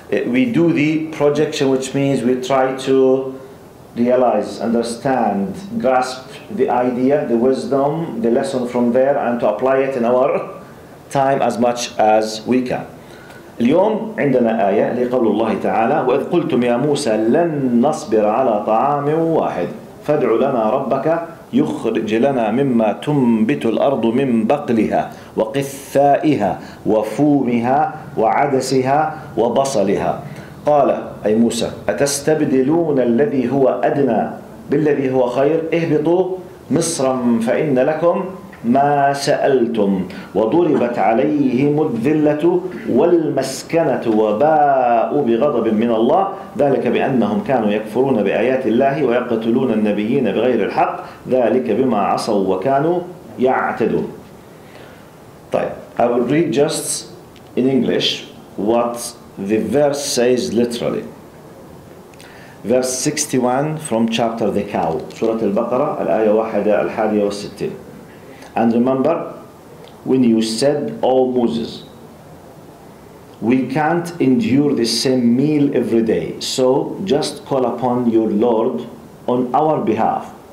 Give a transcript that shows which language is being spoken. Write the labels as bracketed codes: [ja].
[en] We do the projection, which means we try to realize, understand, grasp the idea, the wisdom, the lesson from there, and to apply it in our time as much as we can. [ar] اليوم عندنا آية لقول الله تعالى: وإذ قلتم يا موسى لن نصبر على طعام واحد فادع لنا ربك يخرج لنا مما تنبت الأرض من بقلها وقثائها وفومها وعدسها وبصلها. قال أي موسى: أتستبدلون الذي هو أدنى بالذي هو خير؟ اهبطوا مصرا فإن لكم ما سألتم. وضربت عليهم الذلة والمسكنة وباءوا بغضب من الله، ذلك بأنهم كانوا يكفرون بآيات الله ويقتلون النبيين بغير الحق، ذلك بما عصوا وكانوا يعتدون. [en] طيب، I will read just in English what the verse says literally. Verse 61 from chapter the cow, Surah Al-Baqarah, Al-Ayah 61. And remember, when you said, O Moses, we can't endure the same meal every day, so just call upon your Lord on our behalf.